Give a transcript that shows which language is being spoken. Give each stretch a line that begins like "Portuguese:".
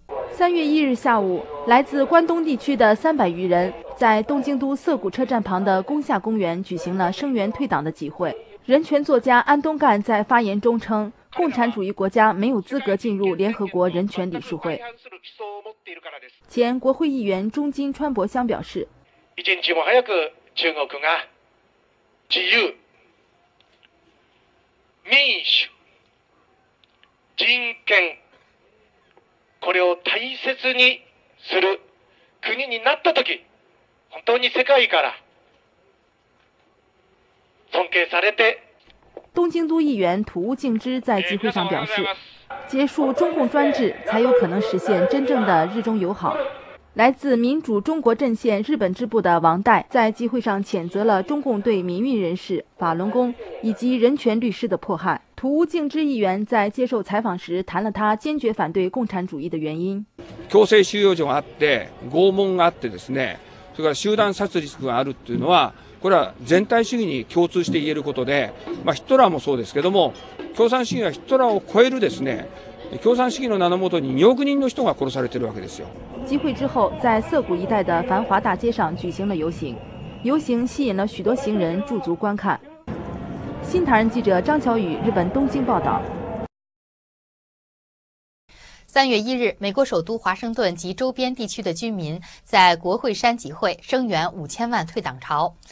Chinese: 3月1日下午，来自关东地区的300余人在东京都涩谷车站旁的宫下公园举行了声援退党的集会。人权作家安东干在发言中称，共产主义国家没有资格进入联合国人权理事会。前国会议员中金川博香表示，
Japanese: 一日も早く中国が自由、民主、人権、これを大切にする国になったとき、本当に世界から尊敬されて。
Chinese: 东京都议员土屋敬之在集会上表示，结束中共专制才有可能实现真正的日中友好。来自民主中国阵线日本支部的王代在集会上谴责了中共对民运人士、法轮功以及人权律师的迫害。土屋敬之议员在接受采访时谈了他坚决反对共产主义的原因。
Japanese: 強制収容所があって、拷問があってですね、それから集団殺戮があるっていうのは、これは全体主義に共通して言えることで、まあヒットラーもそうですけども、共産主義はヒットラーを超えるですね、共産主義の名のもとに2億人の人が殺されているわけですよ。
Chinese: 集会之後、在涩谷一带的繁华大街上举行了游行，游行吸引了许多行人驻足观看。新唐人记者张小雨，日本东京报道。 3月1日，美国首都华盛顿及周边地区的居民在国会山集会，声援5000万退党潮。